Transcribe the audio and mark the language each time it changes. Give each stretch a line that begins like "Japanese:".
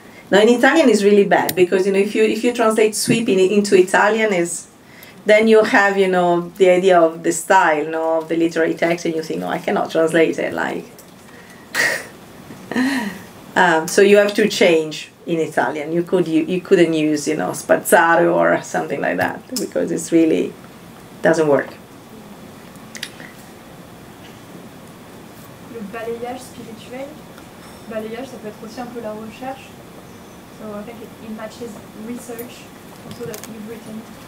English: Now in Italian is really bad, because you know, if you translate sweep into Italian is, then you have, you know, the idea of the style, you know, of the literary text, and you think, no, I cannot translate it, like. So you have to change in Italian. You couldn't use, you know, spazzare or something like that, because it's really, doesn't work.
French: Le balayage spirituel, balayage, ça peut être aussi un peu la recherche.
English: So I think it matches research, also that you've written.